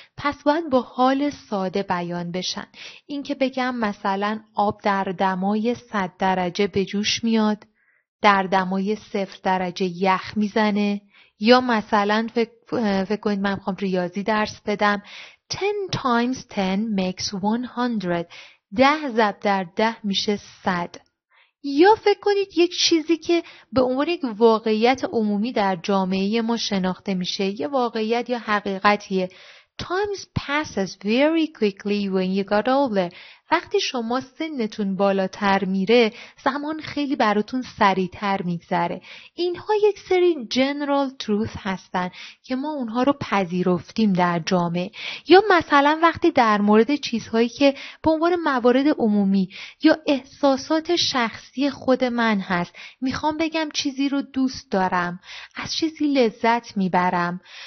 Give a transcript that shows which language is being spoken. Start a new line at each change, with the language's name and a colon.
Persian: پس باید با حال ساده بیان بشن. این که بگم مثلا آب در دمای 100 درجه به جوش میاد، در دمای 0 درجه یخ میزنه، یا مثلا فکر کنید من میخوام ریاضی درس بدم.
English: 10 times 10 makes 100.
Persian: 10 ضرب در 10 میشه 100. یا فکر کنید یک چیزی که به عنوان یک واقعیت عمومی در جامعه ما شناخته میشه، یه واقعیت یا حقیقتیه.
English: Times passes very quickly when you got older.
Persian: وقتی شما سنتون بالاتر میره، زمان خیلی براتون سریع‌تر میگذره. اینها یک سری
English: general truth
Persian: هستن که ما اونها رو پذیرفتیم در جامعه. یا مثلا وقتی در مورد چیزهایی که به عنوان موارد عمومی یا احساسات شخصی خود من هست، میخوام بگم چیزی رو دوست دارم، از چیزی لذت میبرم.